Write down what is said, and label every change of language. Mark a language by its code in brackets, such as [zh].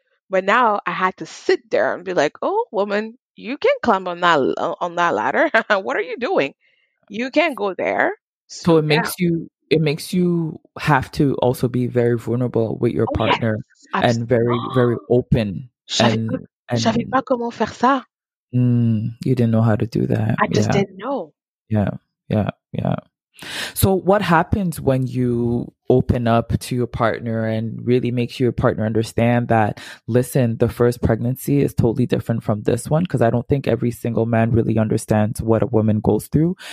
[en] But now I had to sit there and be like, oh, woman, you can't climb on that ladder. What are you doing? You can't go there. So it makes you... It makes you have to also be very vulnerable with your partner and very, very open. [fr] J'avais pas comment faire ça. [en] You didn't know how to do that. I just didn't know. Yeah. So what happens when you open up to your partner and really makes your partner understand that, listen, the first pregnancy is totally different from this one? Because I don't think every single man really understands what a woman goes through.